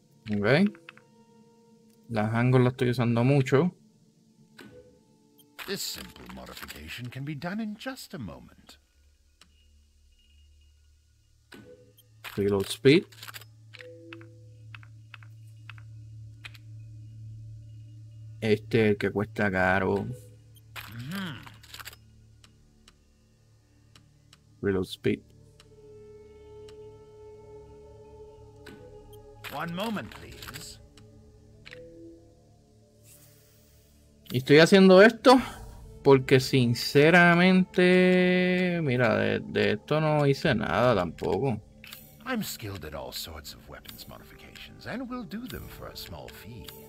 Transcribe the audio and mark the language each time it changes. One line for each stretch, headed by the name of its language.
Spanish: Okay. La Hango la estoy usando mucho.
English: This simple modification can be done in just a moment. Reload speed. Este es el que cuesta caro. Reload speed. One moment, please.
Spanish: Y estoy haciendo esto porque sinceramente, mira, de esto no hice nada tampoco.
English: I'm skilled at all sorts of weapons modifications and will do them for a small fee.